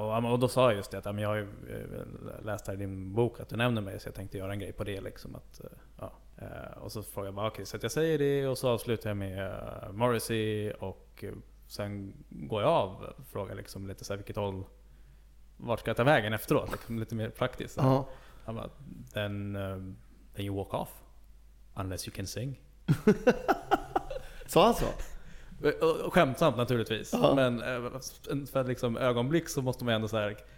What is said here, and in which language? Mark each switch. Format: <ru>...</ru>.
<sv>Och då sa jag just det, att jag har ju läst här i din bok att du nämner mig, så jag tänkte göra en grej på det liksom, att ja. Och så frågade jag bara, okej, okay, så att jag säger det, och så avslutar jag med Morrissey och sen går jag av och frågar liksom lite så här, vilket håll, vart ska jag ta vägen efteråt, liksom lite mer praktiskt. Ja. Han bara,</sv> <en>then you walk off unless you can sing.</en> <sv>Så alltså. Skämtsamt naturligtvis, ja. Men för liksom ögonblick så måste man ändå så här</sv>